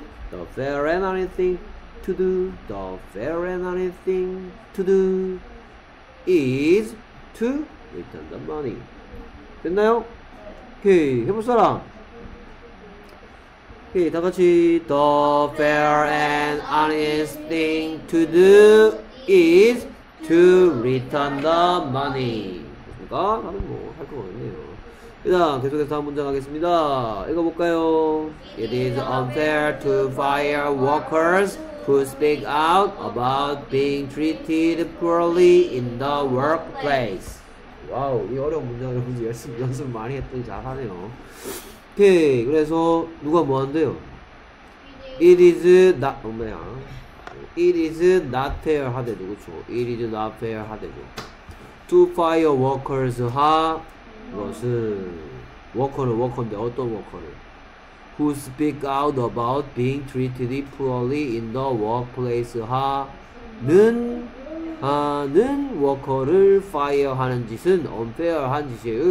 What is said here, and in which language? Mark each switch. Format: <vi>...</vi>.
<en>The fair and honest thing to do, the fair and honest thing to do is to return the money.</en> <ko>됐나요? Okay, 해볼 사람. Okay, 다 같이.</ko> <en>The fair and honest thing to do is to return the money.</en> <ko>됐습니까? 나는 뭐 할 거 같네요. 일단 계속해서 다음 문장 하겠습니다. 읽어볼까요?</ko> <en>It is unfair to fire workers who speak out about being treated poorly in the workplace.</en> <ko>와우, 이 어려운 문장 여러분들 연습 많이 했더니 잘하네요. 오케이, 그래서 누가 뭐 한대요?</ko> <en>It is not,</en> <ko>뭐야?</ko> <en>It is not fair</en> <ko>하대도 그렇죠.</ko> <en>It is not fair</en> <ko>하대도.</ko> <en>To fire workers</en> <ko>하 것은 워커는 워커인데 어떤 워커를</ko> <en>who speak out about being treated poorly in the workplace</en> <ko>하는 워커를</ko> <en>fire</en> <ko>하는 짓은</ko> <en>unfair</en> <ko>한 짓이에요.</ko>